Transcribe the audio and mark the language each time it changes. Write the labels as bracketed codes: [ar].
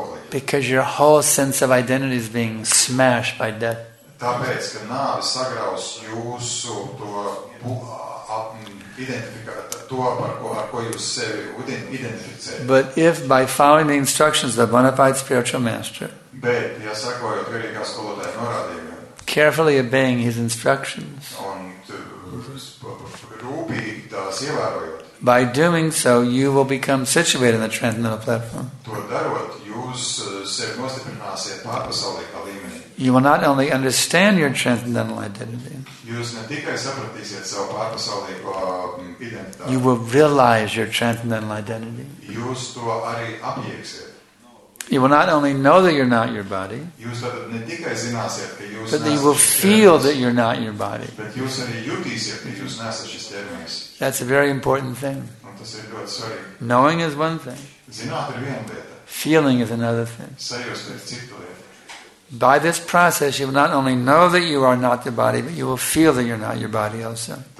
[en] Because your whole sense of identity is being smashed by death. [lv] Tāpēc, ka nāve sagraus jūsu to to, ar ko jūs sevi identificējat. [en] But if by following the instructions of the bona fide spiritual master, [lv] bet, ja sakojot garīgās skolotājas norādījumiem, [en] carefully obeying his instructions, [lv] rūpīgi tās ievērojot, [en] by doing so, you will become situated in the transcendental platform. [lv] To darot, jūs sevi nostiprināsiet pārpasaulīgā līmenī. [en] You will not only understand your transcendental identity, [lv] jūs ne tikai sapratīsiet savu pārpasaulīgo identitāti, [en] you will realize your transcendental identity. [lv] Jūs to arī apjēgsiet. [en] You will not only know that you're not your body, [lv] jūs ne tikai zināsiet, ka jūs [en] but you will feel that you're not your body. [lv] Bet jūs arī jūtīsiet, ka jūs nesat šis ķermenis. [en] That's a very important thing. [lv] Un tas ir ļoti svarīgi. [en] Knowing is one thing. [lv] Zināt ir viena lieta. [en] Feeling is another thing. [lv] Sajust ir cita lieta. [en] By this process, you will not only know that you are not your body, but you will feel that you're not your body also.